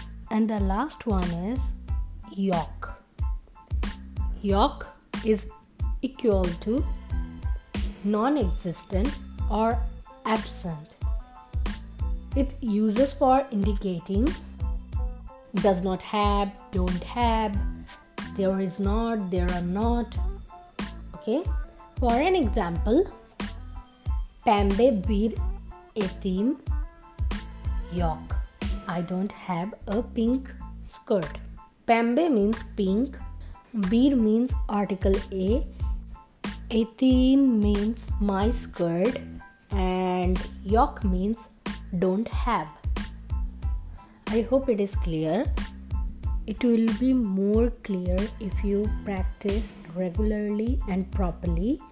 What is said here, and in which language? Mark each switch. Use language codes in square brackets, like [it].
[en] And the last one is yok. Yok is equal to non-existent or absent. It uses for indicating does not have, don't have, there is not, there are not. Okay, for an example, [tr] pembe bir etim yok. [en] I don't have a pink skirt. Pembe means pink, bir means article a, etim means my skirt, and yok means don't have. I hope it is clear. It will be more clear if you practice regularly and properly.